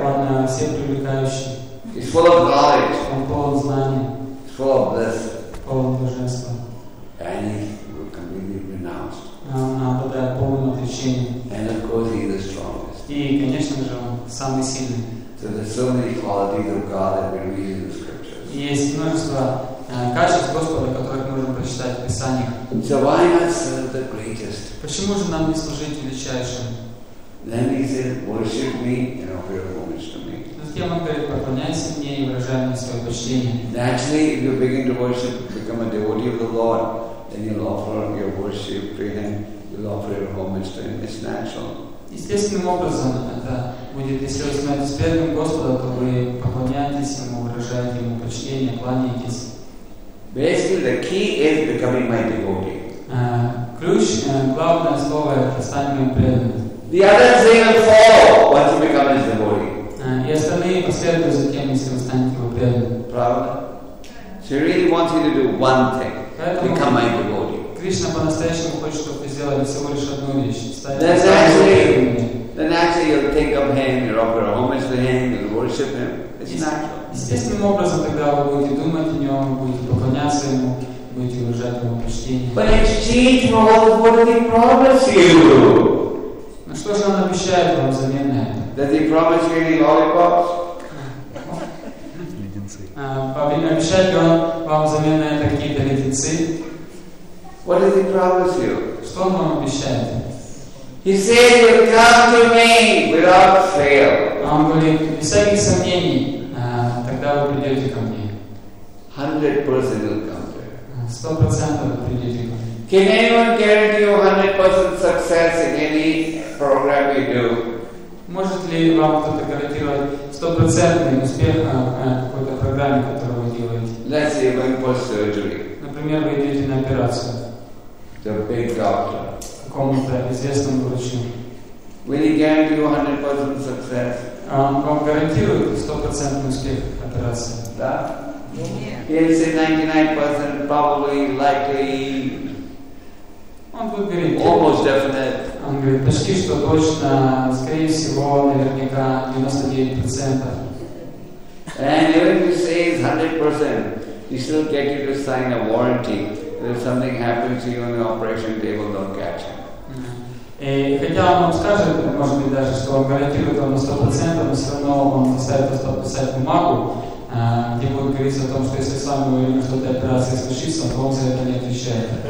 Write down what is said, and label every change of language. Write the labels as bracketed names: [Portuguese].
[Russian] Он всем привлекающий. [English] He's full of knowledge. [Russian] Он полон знаний. [English] He's full of bliss. [Russian] Полон блаженства. [English] And he will completely renounce. [Russian] Он обладает полным отречением. [English] And of course he is the strongest. [Russian] И, конечно же, он самый сильный. [English] So there's so many qualities of God that we read in the scriptures. [Russian] Есть множество качеств Господа, которых мы можем прочитать в Писании. [English] So why not serve the greatest? [Russian] Почему же нам не служить величайшим? [English] Then he said, worship me and offer your homage to me. [Russian] Затем он говорит, поклоняйся мне и выражай мне свое почтение. [English] Naturally, if you begin to worship, become a devotee of the Lord, then you'll offer your worship to him, you'll offer your homage to him. It's natural. [Russian] Естественным образом это будет, если вы становитесь преданным Господом, то вы поклоняетесь ему, выражаете ему почтение, кланяетесь. [English] Basically, the key is becoming my devotee. [Russian] Ключ, главное слово это стань моим преданным. [English] The other thing will follow once you become his devotee. [Russian] И остальные последуют затем, если вы станете его преданным. Правда? [English] She really wants you to do one thing. Become my devotee. [Russian] Кришна по-настоящему хочет, чтобы ты сделал всего лишь одну вещь. [English] Then actually you'll think of him, you'll offer homage to him, you'll worship him. It's natural. [Russian] Естественным образом тогда вы будете думать о нем, будете поклоняться ему, будете уважать ему почтение. [English] But exchange for all the what he promised you. [Russian] Ну что же он обещает вам взамен на это? [English] Does he promise you any lollipops? [Russian] Леденцы. Обещает ли он вам взамен на это какие-то леденцы? [English] What does he promise you? [Russian] Что он вам обещает? [English] He says you come to me without fail. [Russian] Он говорит, без всяких сомнений. Тогда вы придете ко мне. [English] 100% will come to you. [Russian] 100% вы придете ко мне. [English] Can anyone guarantee you 100% success in any program you do? [Russian] Может ли вам кто-то гарантировать 100% успех в какой-то программе, которую вы делаете? [English] Let's say you're going for surgery. [Russian] Например, вы идете на операцию. [English] To a big doctor. [Russian] Какому-то известному врачу. [English] Will he guarantee you 100% success? [Russian] Он гарантирует 100% успех операции. Да? [English] He'll say 99% probably, likely, [Russian] он будет говорить, [English] almost definite. [Russian] Он говорит, почти что точно, скорее всего, наверняка 99%. [English] And even if you say it's 100%, you still get you to sign a warranty that if something happens to you on the operation table, don't catch him. [Russian] И хотя он вам скажет, может быть даже, что он гарантирует вам на 100%, но все равно он заставит вас подписать бумагу, где будет говориться о том, что если с вами уверен, что эта операция случится, он вам за это не отвечает.